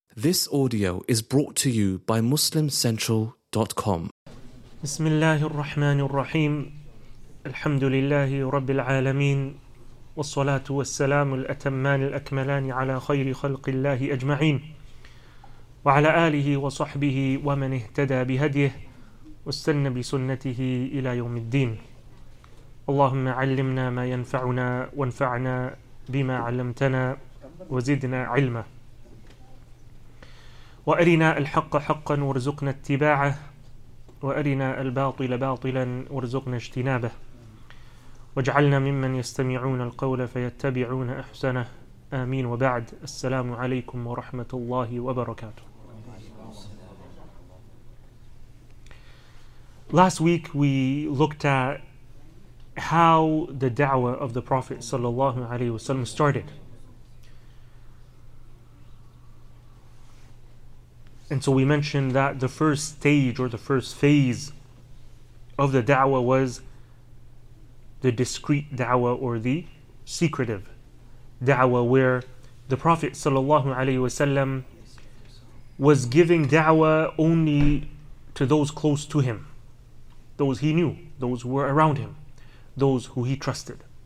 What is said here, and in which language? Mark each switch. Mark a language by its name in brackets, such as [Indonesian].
[English] This audio is brought to you by MuslimCentral.com. [Arabic] بسم الله الرحمن الرحيم الحمد لله رب العالمين والصلاة والسلام الأتمان الأكملان على خير خلق الله أجمعين وعلى آله وصحبه ومن اهتدى بهديه واستنى بسنته إلى يوم الدين اللهم علمنا ما ينفعنا وانفعنا بما علمتنا وزدنا علما وأرنا الحق حقا وارزقنا اتباعه وأرنا الباطل باطلا وارزقنا اجتنابه واجعلنا ممن يستمعون القول فيتبعون أحسنه آمين وبعد السلام عليكم ورحمة الله وبركاته. [English] Last week we looked at how the da'wah of the Prophet sallallahu alayhi wa sallam started. And so we mentioned that the first stage or the first phase of the da'wah was the discreet da'wah or the secretive da'wah, where the Prophet sallallahu alayhi wa sallam was giving da'wah only to those close to him, those he knew, those who were around him, those who he trusted.